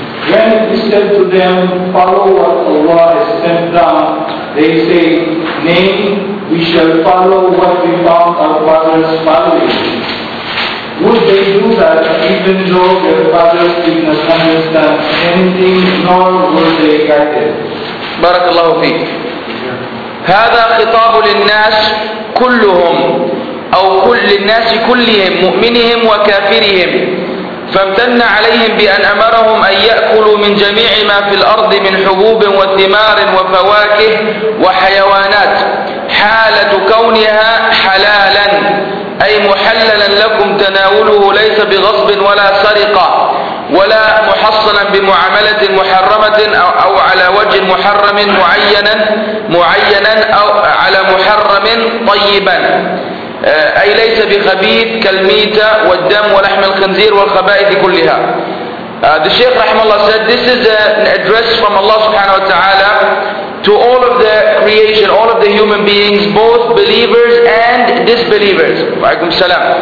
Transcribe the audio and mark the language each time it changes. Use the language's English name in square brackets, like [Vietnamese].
[English] When it is said to them, follow what Allah has sent down, they say, nay, we shall follow what we found our fathers following. Would they do that even though their fathers did not understand anything, nor were they guided? [Arabic] Barakallahu feek. هذا خطاب للناس كلهم أو كل الناس كلهم مؤمنهم وكافرهم، فامتن عليهم بأن أمرهم أن يأكلوا من جميع ما في الأرض من حبوب وثمار وفواكه وحيوانات حالة كونها حلالا أي محللا لكم تناوله، ليس بغصب ولا سرقة ولا محصلا بمعاملة محرمة أو على وجه محرم معينا أو على محرم طيبا، أي ليس بخبيث كالميتة والدم ولحم الخنزير والخبائث كلها. [English] The Shaykh Rahimullah said, this is an address from Allah subhanahu wa ta'ala to all of the creation, all of the human beings, both believers and disbelievers. [Arabic] Waalaikum salam.